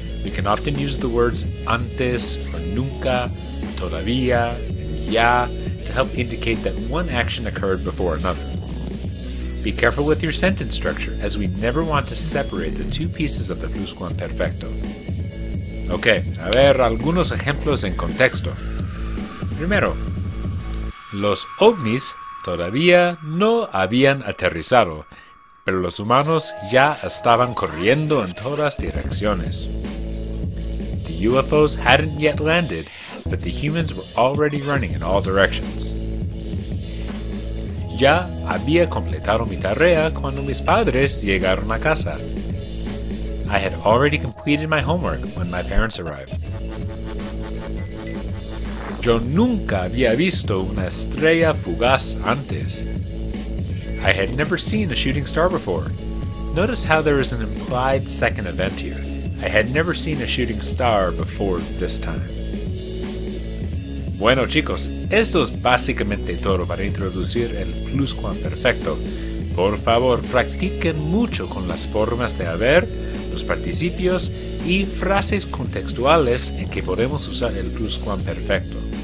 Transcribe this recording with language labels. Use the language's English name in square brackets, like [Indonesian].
[English] We can often use the words antes, or nunca, todavía, and ya to help indicate that one action occurred before another. Be careful with your sentence structure, as we never want to separate the two pieces of the pluscuamperfecto. [Spanish] Okay, a ver algunos ejemplos en contexto. Primero, los ovnis todavía no habían aterrizado, pero los humanos ya estaban corriendo en todas direcciones. [English] The UFOs hadn't yet landed, but the humans were already running in all directions. [Spanish] Ya había completado mi tarea cuando mis padres llegaron a casa. [English] I had already completed my homework when my parents arrived. [Spanish] Yo nunca había visto una estrella fugaz antes. [English] I had never seen a shooting star before. Notice how there is an implied second event here. I had never seen a shooting star before this time. [Spanish] Bueno chicos, esto es básicamente todo para introducir el pluscuamperfecto. Por favor, practiquen mucho con las formas de haber, los participios y frases contextuales en que podemos usar el pluscuamperfecto.